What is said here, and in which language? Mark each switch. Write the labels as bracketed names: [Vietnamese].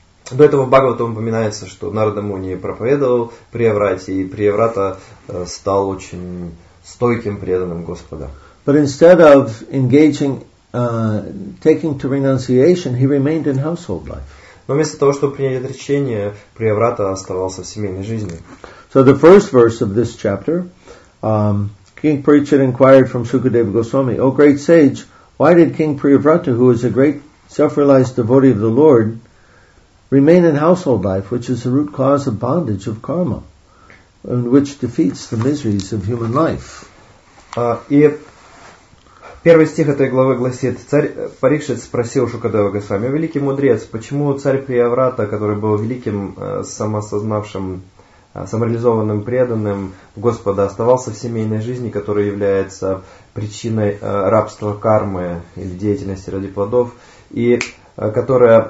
[Russian] До этого в Бхагаватам упоминается, что Нарада Муни проповедовал Приеврате, и Приеврата стал очень стойким преданным Господа. [English] But instead of engaging, taking to renunciation, he remained in household life. [Russian] Но вместо того, чтобы принять отречение, Приеврата оставался в семейной жизни. [English] So the first verse of this chapter, King Parikshit inquired from Sukadeva Goswami, O great sage, why did King Priyavrata, who is a great self-realized devotee of the Lord, remain in household life, which is the root cause of bondage of karma, and which defeats the miseries of human life? [Russian] Первый стих этой главы гласит, царь Парикшит спросил Шукадева Госвами, великий мудрец, почему царь Приеврата, который был великим самосознавшим, самореализованным преданным Господа, оставался в семейной жизни, которая является причиной рабства кармы или деятельности ради плодов, и которая...